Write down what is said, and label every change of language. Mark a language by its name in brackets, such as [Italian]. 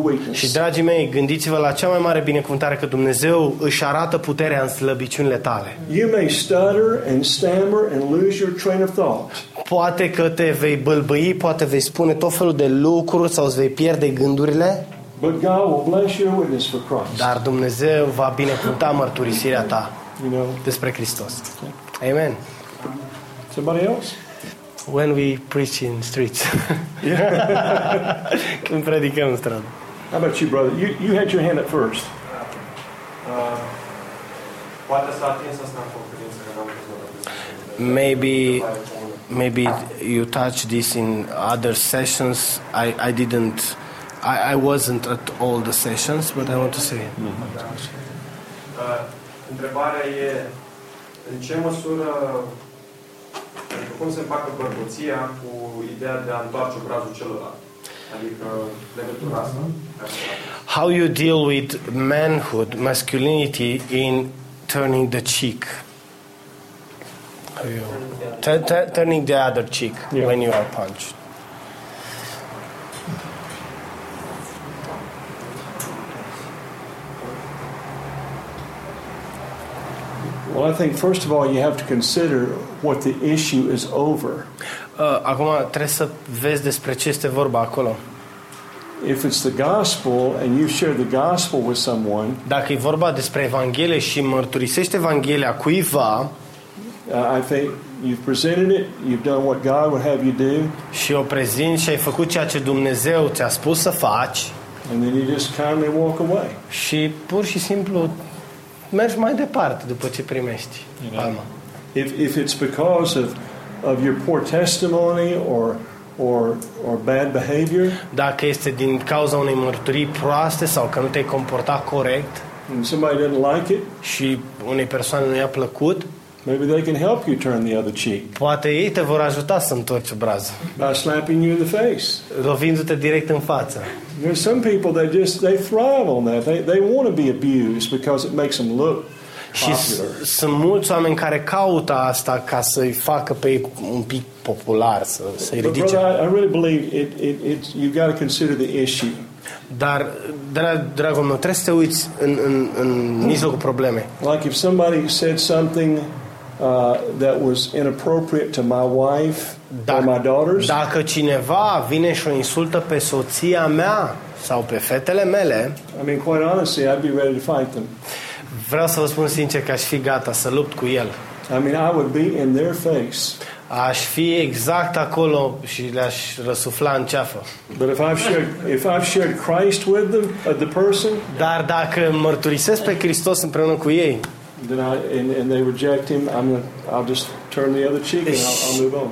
[Romanian] Și, dragii mei, gândiți-vă la cea mai mare binecuvântare, că Dumnezeu își arată puterea în slăbiciunile tale. [English] You may stutter and stammer and lose your train of thought. [Romanian] Poate că te vei bâlbâi, poate vei spune tot felul de lucruri sau îți vei pierde gândurile. [English] But God will bless your witness for Christ. [Romanian] Dar Dumnezeu va binecuvânta mărturisirea ta despre Hristos. [English] Amen. Somebody else? When we preach in streets. [Romanian] Când predicăm în stradă. [English] How about you, brother? You had your hand at first. [Romanian] Poate s-a atins asta în conferință că n-am [English] Maybe you touched this in other sessions. I wasn't at all the sessions, but I want to say. [Romanian] Întrebarea e În ce măsură, adică cum se împacă bărbăția cu ideea de a întoarce brațul celălalt? Adică legătura asta? [English] How you deal with manhood, masculinity in turning the cheek? Turning the other cheek, yeah, when you are punched. Well, I think first of all you have to consider what the issue is over. [Romanian] Acum trebuie să vezi despre ce este vorba acolo. [English] If it's the gospel and you share the gospel with someone, [Romanian] dacă e vorba despre evanghelie și mărturisești evanghelia cuiva, [English] I think you've presented it, you've done what God would have you do. [Romanian] Și o prezinți și ai făcut ceea ce Dumnezeu ți-a spus să faci. [English] And then you just kindly walk away. [Romanian] Și pur și simplu mergi mai departe după ce primești palma. [English] If it's because of your poor testimony or bad behavior, [Romanian] dacă este din cauza unei mărturii proaste sau că nu te-ai comportat corect, [English] and somebody didn't like it, [Romanian] și unei persoane nu i-a plăcut, [English] maybe they can help you turn the other cheek. [Romanian] Poate ei te vor ajuta să întorci brațul. [English] By slapping you in the face. [Romanian] Lovindu-te direct în față. [English] There are some people that just they thrive on that. They want to be abused because it makes them look popular. [Romanian] Sunt mulți oameni care caută asta ca să îi facă pe ei un pic popular, să se ridice. [English] But brother, I really believe it you got to consider the issue. [Romanian] Dar, dragul meu, trebuie să te uiți în mijlocul problemei. [English] Like if somebody said something that was inappropriate to my wife or my daughters. [Romanian] Dacă cineva vine și o insultă pe soția mea sau pe fetele mele, [English] I mean, quite honestly, I'd be ready to fight them. [Romanian] Vreau să vă spun sincer că aș fi gata să lupt cu el. [English] I mean, I would be in their face. [Romanian] Aș fi exact acolo și le-aș răsufla în ceafă. [English] But if I've shared Christ with them, the person, [Romanian] dar dacă mărturisesc pe Hristos împreună cu ei, [English] then and they reject him, I'll just turn the other cheek and I'll move on.